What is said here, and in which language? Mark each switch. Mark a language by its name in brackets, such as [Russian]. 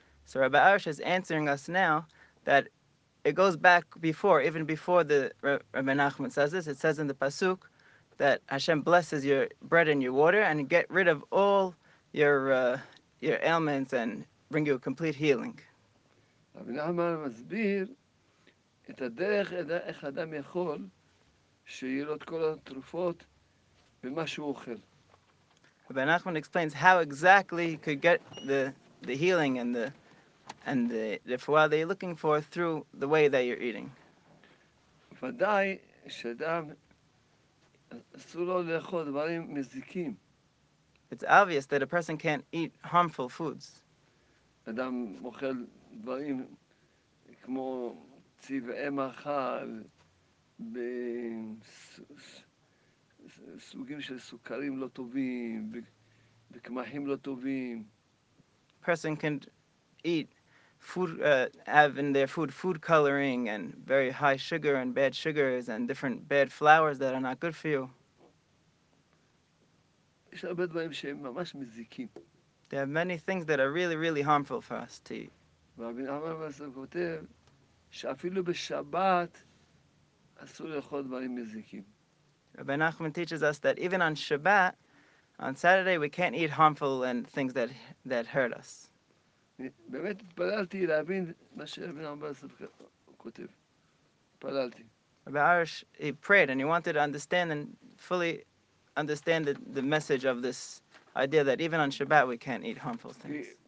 [English] So Rabbi Arush is answering us now that it goes back before, even before the Rabbi Nachman says this. It says in the Pasuk that Hashem blesses your bread and your water and get rid of all your ailments and bring you a complete healing. [Hebrew] Rabbi Nachman מסביר את הדרך איך אדם יכול שיהיה לו את כל התרופות ומה שהוא אוכל. [English] Rabbi Nachman explains how exactly he could get the healing and the refuah that you're looking for through the way that you're eating. [Hebrew] ודאי שאדם אסור לו לאכול דברים מזיקים. [English] It's obvious that a person can't eat harmful foods. [Hebrew] אדם אוכל דברים כמו צבעי מאכל, בסוגים של סוכרים לא טובים, בקמחים לא טובים. [English] Person can eat food, have in their food coloring and very high sugar and bad sugars and different bad flours that are not good for you. [Hebrew] יש הרבה דברים שהם ממש מזיקים. [English] There are many things that are really, really harmful for us to eat. [Hebrew] רבי נחמן מסרב כותב שאפילו בשבת אסור לאכול דברים מזיקים. [English] Rabbi Nachman teaches us that even on Shabbat, on Saturday, we can't eat harmful and things that hurt us. [Hebrew] באמת התפללתי להבין מה שרבי נחמן מסרב כותב. התפללתי. [English] Rabbi Arush, he prayed and he wanted to understand and fully understand the message of this idea that even on Shabbat we can't eat harmful things.